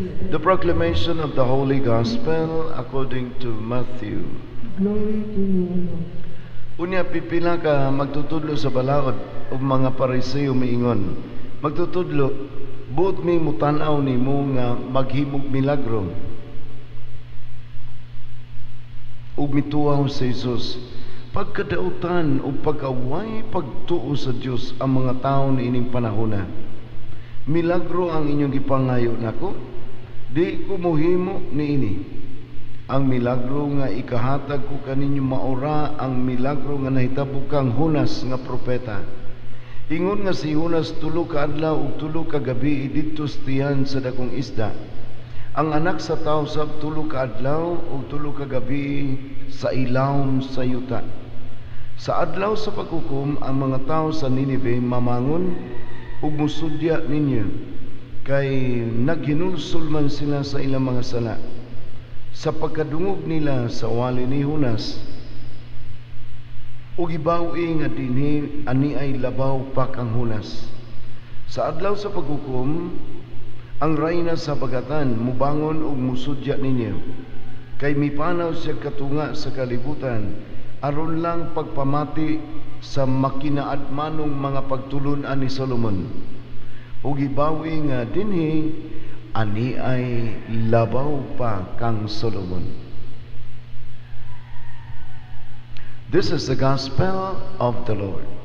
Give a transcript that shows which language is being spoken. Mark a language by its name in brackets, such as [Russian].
[English] The proclamation of the Holy Gospel according to Matthew. Glory to you, Lord. [Cebuano] Unya pipila ka magtutudlo sa balaod og mga Pariseo miingon. Magtutudlo, buot mi mutan-aw nimo nga maghimog milagro. Ug mituaw si Jesus, pagkadautan ug pagaway pagtuo sa Dios ang mga tawo ining panahona. Milagro ang inyong gipangayo nako, di ko mohimo niini. Ang milagro nga ikahatag ko kaninyo maura ang milagro nga nahitabo kang Hunas nga propeta. Ingon nga si Hunas tulo ka adlaw ug tulo ka gabi didto stiyan sa dakong isda. Ang anak sa tawo sab tulo ka adlaw ug tulo ka gabi sa ilawom sa yuta. Sa adlaw sa pagkukom ang mga tawo sa Ninive mamangon ug musudya ninyo kay naghinulsol man sila sa ilang mga sala. Sa pagkadungog nila sa wali ni Hunas, ug ibawi nga dinhi ani ay labaw pa kang Hunas. Sa adlaw sa paghukom, ang rayna sa bagatan mubangon ug musudya ninyo kay mipanaw siya katunga sa kalibutan aron lang pagpamati sa makinaadmanong mga pagtulunan ni Solomon. Ug ibawi nga dinhi ani ay labaw pa kang Solomon. [English] This is the gospel of the Lord.